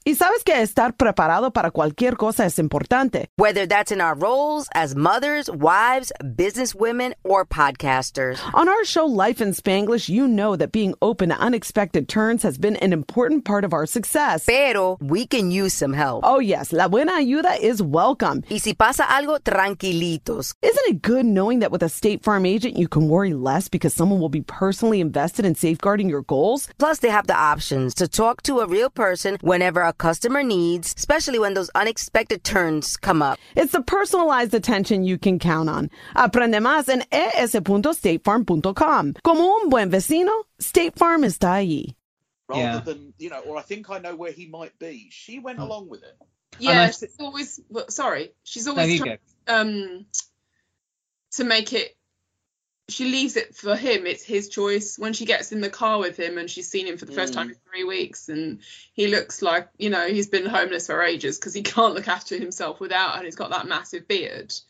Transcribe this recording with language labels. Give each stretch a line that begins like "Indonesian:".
Spanish: Y sabes que estar preparado para cualquier cosa es importante.
English: Whether that's in our roles as mothers, wives, businesswomen, or podcasters. On our show, Life in Spanglish, you know that being open to unexpected turns has been an important part of our success. Pero we can use some help. Oh, yes,
Spanish: la buena ayuda
English: is welcome.
Spanish: Y si pasa algo, tranquilitos.
English: Isn't it good knowing that with a State Farm agent, you can worry less because someone will be personally invested in safeguarding your goals? Plus, they have the options to talk to a real person whenever a customer needs, especially when those unexpected turns come up. It's the personalized attention you can count on.
Spanish: Aprende más en es.statefarm.com. Como un buen vecino, State Farm está ahí.
English: Rather than, you know, or I think I know where he might be, she went along with it. Yeah, she's always trying to make it. She leaves it for him. It's his choice. When she gets in the car with him and she's seen him for the first time in 3 weeks and he looks like, you know, he's been homeless for ages because he can't look after himself without, and he's got that massive beard.